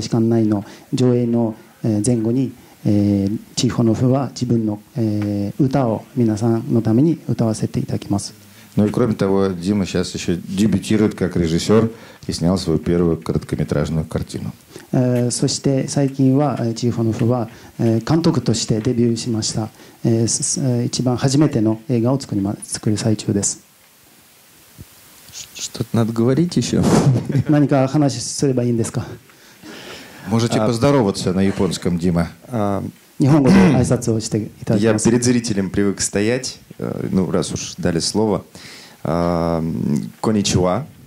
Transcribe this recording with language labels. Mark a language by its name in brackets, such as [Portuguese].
[Japanese] それぞれの参加者について一言申し上げたいと思いますが、こちらは俳優のドミトリー・ティーホノフ、よく私たちのフェスティバルに参加しておりまして、で今年の、ロシア映画祭には、ティーホノフ関係の映画は参加しておりませんが、ロシア大使館の23日のロシア大使館内の上映の前後に、 Тихонов自分の歌を皆さんのために歌わせていただきます。 [Russian] Ну и кроме того, Дима сейчас еще дебютирует как режиссер и снял свою первую короткометражную картину. [Japanese] そして最近はティーホノフは監督としてデビューしました。一番初めての映画を作る最中です。 [Russian] Что-то надо говорить еще? [Japanese] 何か話すればいいんですか? [Russian] Можете поздороваться на японском, Дима. Я перед зрителем привык стоять, ну, раз уж дали слово. [Japanese] Коничуа.